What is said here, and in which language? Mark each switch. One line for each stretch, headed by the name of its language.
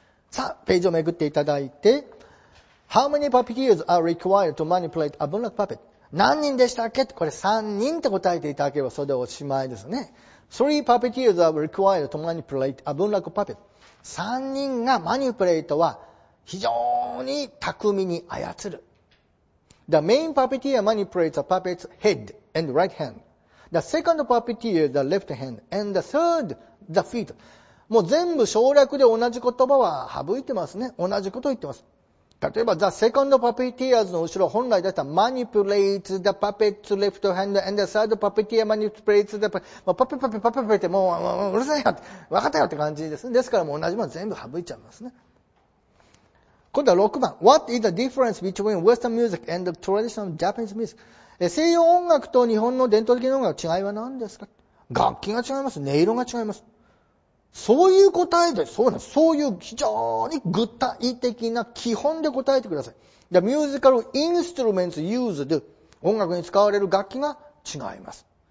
Japanese: さあ、ページをめぐっていただいて、
English: How many puppeteers are required to manipulate a bunlap puppet?
Japanese: 何人でしたっけ？これ3人って答えていただければそれでおしまいですね。
English: 3 puppeteers are required to manipulate a bunlap puppet.
Japanese: 3人がマニプレートは非常に巧みに操る。
English: The main puppeteer manipulates a puppet's head and right hand. The second puppeteer the left hand and the third the feet.
Japanese: もう全部省略で同じ言葉は省いてますね。同じことを言ってます。例えば、
English: the second puppeteers
Japanese: の後ろ、本来だったら、
English: manipulates the puppet's left hand and the third puppeteer manipulates the puppet.
Japanese: パペパペパペパペってもう、うるさいよって、わかったよって感じですね。ですから、もう同じもの全部省いちゃいますね。今度は6番。
English: What is the difference between Western music and the traditional Japanese music?
Japanese: 西洋音楽と日本の伝統的な音楽の違いは何ですか？楽器が違います。音色が違います。そういう答えで、そうなんです。そういう非常に具体的な基本で答えてください。
English: The musical instruments used,
Japanese: 音楽に使われる楽器が違います。